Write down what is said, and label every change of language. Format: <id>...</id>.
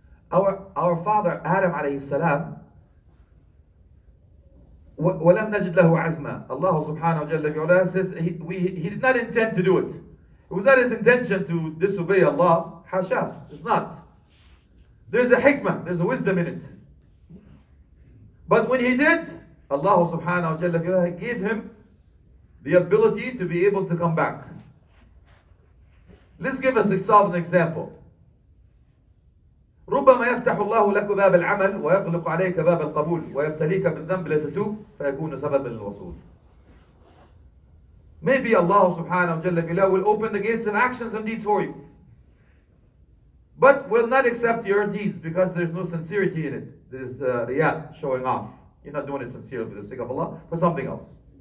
<en>Our father Adam</en> <ar>عليه السلام وَلَمْ نَجِدْ لَهُ عَزْمًا.</ar> <en>Allah subhanahu wa jalla fi'ala says he did not intend to do it. It was not his intention to disobey Allah.</en> <ar>حَشَى.</ar> <en>It's not. There's a hikmah, there's a wisdom in it. But when he did, Allah subhanahu wa jalla fi'ala gave him the ability to be able to come back. Let's give us an example.</en> <ar>ربما يفتح الله لك باب العمل ويغلق عليك باب القبول ويبتليك بالذنب لتتوب فيكون سببا للوصول.</ar> <en>Maybe Allah subhanahu wa jalla fi'ala will open the gates of actions and deeds for you. But will not accept your deeds because there's no sincerity in it. There's riya showing off. You're not doing it sincerely for the sake of Allah, for something else.</en>